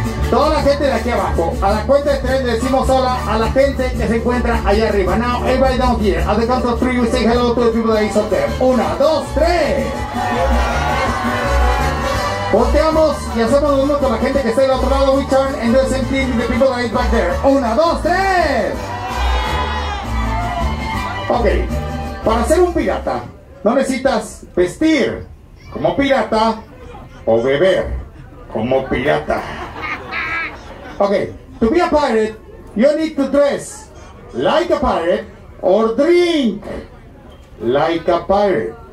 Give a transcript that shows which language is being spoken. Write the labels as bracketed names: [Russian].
[Spanish] Toda la gente de aquí abajo, a la cuenta de tres le decimos hola a la gente que se encuentra ahí arriba. [English] Now, everybody down here, at the count of three, we say hello to the people that is up there. [Spanish] Una, dos, tres. Volteamos y hacemos lo mismo con la gente que está del otro lado. [English] We turn and do the same thing with the people that is back there. [Spanish] Una, dos, tres. Ok, para ser un pirata, no necesitas vestir como pirata o beber como pirata. [English] Okay, to be a pirate, you need to dress like a pirate or drink like a pirate.